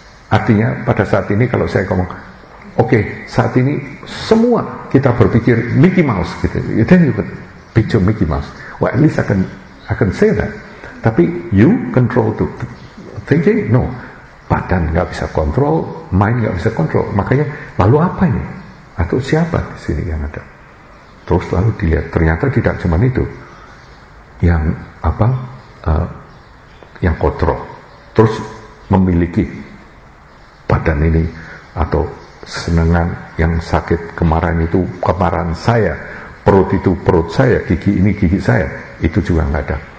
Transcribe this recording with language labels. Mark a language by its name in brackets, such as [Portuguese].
[Indonesian] Artinya pada saat ini kalau saya ngomong, okay, saat ini semua kita berpikir Mickey Mouse gitu. [English] Then you can picture Mickey Mouse. Well, at least I can say that. [Indonesian] Tapi [English] you control to thinking? No. [Indonesian] Badan enggak bisa kontrol, mind enggak bisa kontrol. Makanya lalu apa ini? Atau siapa di sini yang ada? terus lalu dilihat, ternyata tidak cuma itu yang apa yang kotor terus memiliki badan ini atau senengan yang sakit kemarin itu kemarin saya, perut itu perut saya, gigi ini gigi saya, itu juga enggak ada.